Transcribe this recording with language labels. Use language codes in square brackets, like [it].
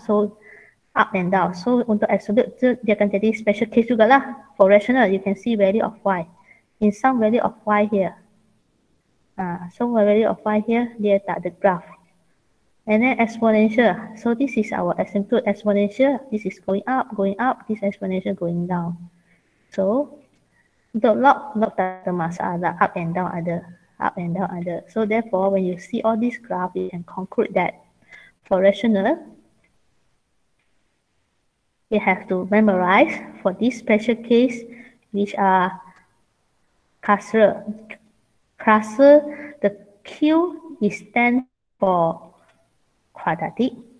[en] So up and down. So [ms] untuk absolute, dia akan jadi special case juga lah. [en] For rational, you can see value of y. In some value of y here. So value of y here, [ms] dia tak ada graph. [en] And then exponential. So this is our asymptote exponential. This is going up, this exponential going down. [ms] So, untuk log tak ada masalah. [en] Up and down ada, up and down ada. So therefore, when you see all this graph, you can conclude that for rational, we have to memorize for this special case, which are Kasra. Kasra, the Q is stand for quadratic.